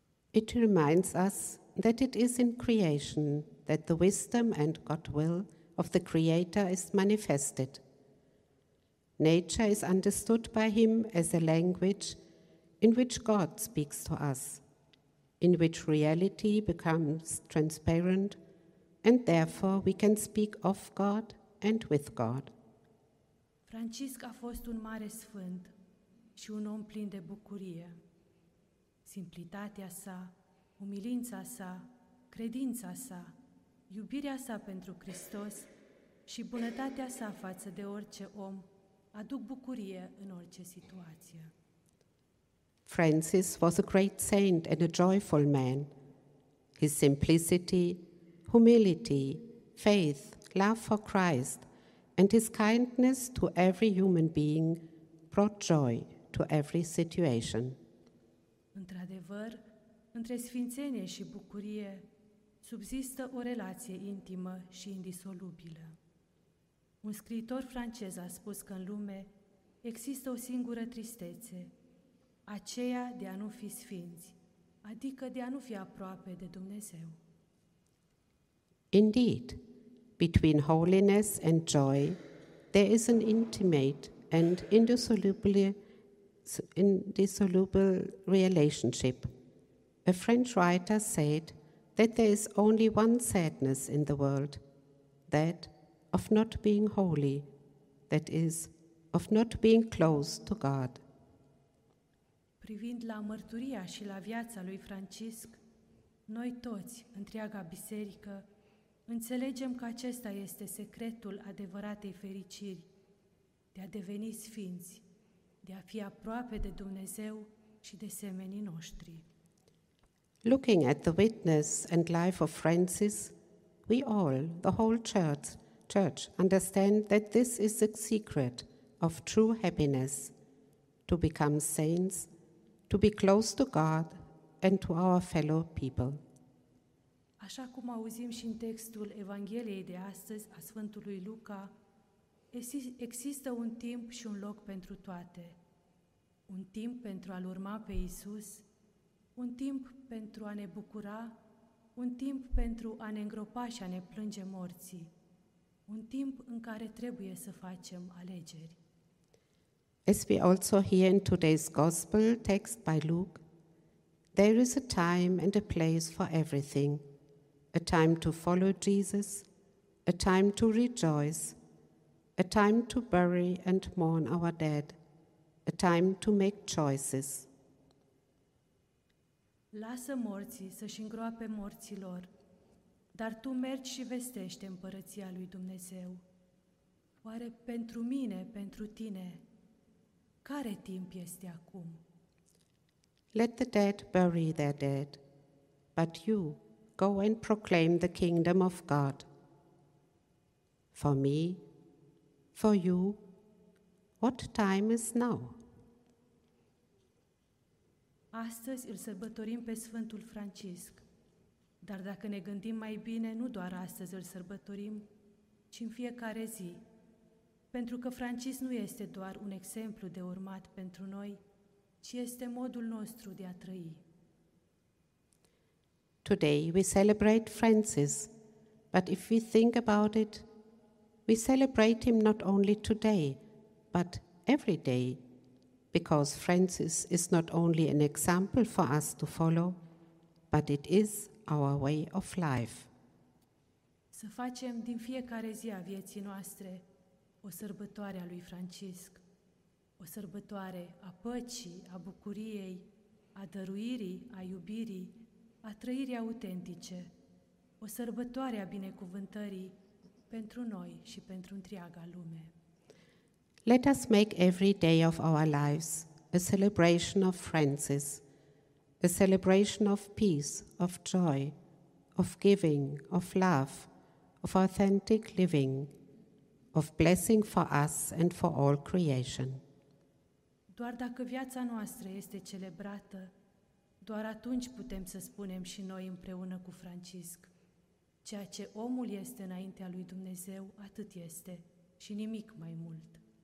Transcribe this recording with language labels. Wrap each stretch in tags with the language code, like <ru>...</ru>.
<en>It reminds us that it is in creation that the wisdom and God will of the Creator is manifested. Nature is understood by Him as a language in which God speaks to us, in which reality becomes transparent, and therefore we can speak of God and with God.</en> <ro>Francisc a fost un mare sfânt și un om plin de bucurie. Simplitatea sa, umilința sa, credința sa, iubirea sa pentru Hristos și bunătatea sa față de orice om aduc bucurie în orice situație.</ro> <en>Francis was a great saint and a joyful man. His simplicity, humility, faith, love for Christ, and his kindness to every human being brought joy to every situation.</en> <ro>Într-adevăr, între sfințenie și bucurie subzistă o relație intimă și indisolubilă. Un scriitor francez a spus că în lume există o singură tristețe, aceea de a nu fi sfinți, adică de a nu fi aproape de Dumnezeu.</ro> <en>Indeed, between holiness and joy, there is an intimate and indissoluble relationship. A French writer said that there is only one sadness in the world, that of not being holy, that is, of not being close to God.</en> <ro>Privind la mărturia și la viața lui Francisc, noi toți, întreaga biserică, înțelegem că acesta este secretul adevăratei fericiri, de a deveni sfinți, de a fi aproape de Dumnezeu și de semenii noștri.</ro> <en>Looking at the witness and life of Francis, we all, the whole church, understand that this is the secret of true happiness, to become saints, to be close to God and to our fellow people.</en> <ro>Așa cum auzim și în textul Evangheliei de astăzi a Sfântului Luca, există un timp și un loc pentru toate. Un timp pentru a-L urma pe Iisus, un timp pentru a ne bucura, un timp pentru a ne îngropa și a ne plânge morții, un timp în care trebuie să facem alegeri.</ro> <en>As we also hear in today's Gospel text by Luke, there is a time and a place for everything, a time to follow Jesus, a time to rejoice, a time to bury and mourn our dead, a time to make choices.</en> <ro>Lasă morții să-și îngroape morților, dar tu mergi și vestește împărăția lui Dumnezeu. Oare pentru mine, pentru tine, care timp este acum?</ro> <en>Let the dead bury their dead, but you go and proclaim the kingdom of God. For me, for you, what time is now?</en> <ro>Astăzi îl sărbătorim pe Sfântul Francisc, dar dacă ne gândim mai bine, nu doar astăzi îl sărbătorim, ci în fiecare zi. Pentru că Francis nu este doar un exemplu de urmat pentru noi, ci este modul nostru de a trăi.</ro> <en>Today we celebrate Francis, but if we think about it, we celebrate him not only today, but every day, because Francis is not only an example for us to follow, but it is our way of life.</en> <ro>Să facem din fiecare zi a vieții noastre o sărbătoare a lui Francisc, o sărbătoare a păcii, a bucuriei, a dăruirii, a iubirii, a trăirii autentice, o sărbătoare a binecuvântării pentru noi și pentru întreaga lume.</ro> <en>Let us make every day of our lives a celebration of Francis, a celebration of peace, of joy, of giving, of love, of authentic living. of blessing for us and for all creation.</en> <ro>Doar dacă viața noastră este celebrată, doar atunci putem să spunem și noi împreună cu Francisc, ceea ce omul este înaintea lui Dumnezeu, atât este și nimic mai mult.</ro>